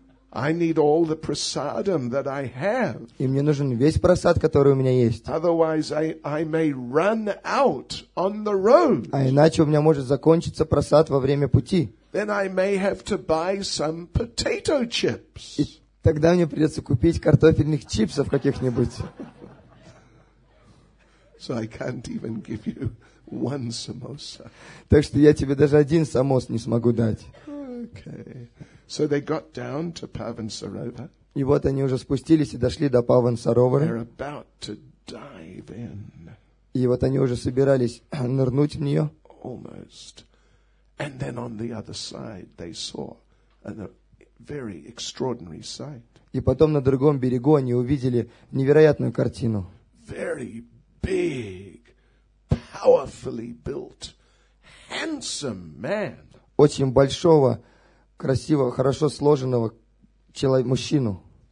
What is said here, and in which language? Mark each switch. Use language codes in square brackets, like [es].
[en] I need all the prasadam that I have. [ru] И мне нужен весь прасад, который у меня есть. [en] Otherwise I may run out on the road. [ru] А иначе у меня может закончиться прасад во время пути. [en] Then I may have to buy some potato chips. [ru] И тогда мне придется купить картофельных чипсов каких-нибудь. [en] So I can't even give you one samosa. [ru] Так что я тебе даже один самос не смогу дать. [en] Okay. So they got down to Pavan Sarovar. [ru] И вот они уже спустились и дошли до Pavan Sarovar. [en] They're about to dive in. [ru] И вот они уже собирались нырнуть в нее. [en] Almost. And then on the other side they saw a very extraordinary sight. [ru] И потом на другом берегу они увидели невероятную картину. [en] Very big, powerfully built, handsome man. [ru] Очень большого, красивого, хорошо сложенного мужчину.